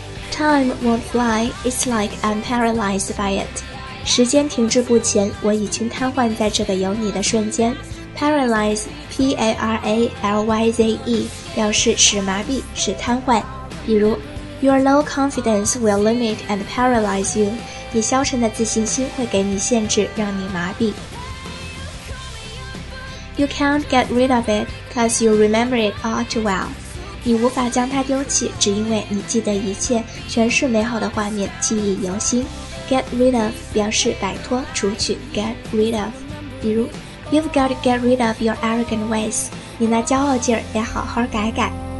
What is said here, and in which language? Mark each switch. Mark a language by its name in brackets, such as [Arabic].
[English] Time won't fly, it's like I'm paralyzed by it. [Chinese] 时间停滞不前，我已经瘫痪在这个有你的瞬间。 Paralyze, P-A-R-A-L-Y-Z-E, 表示使麻痹，使瘫痪。比如 [English] Your low confidence will limit and paralyze you. [Chinese] 你消沉的自信心会给你限制，让你麻痹。 [English] You can't get rid of it, cause you remember it all too well. [Chinese] 你无法将它丢弃，只因为你记得一切，全是美好的画面，记忆犹新。 [English] Get rid of [Chinese] 表示摆脱、除去。 [English] Get rid of， [Chinese] 比如 [English] ，You've got to get rid of your arrogant ways。 [Chinese] 你那骄傲劲儿得好好改改。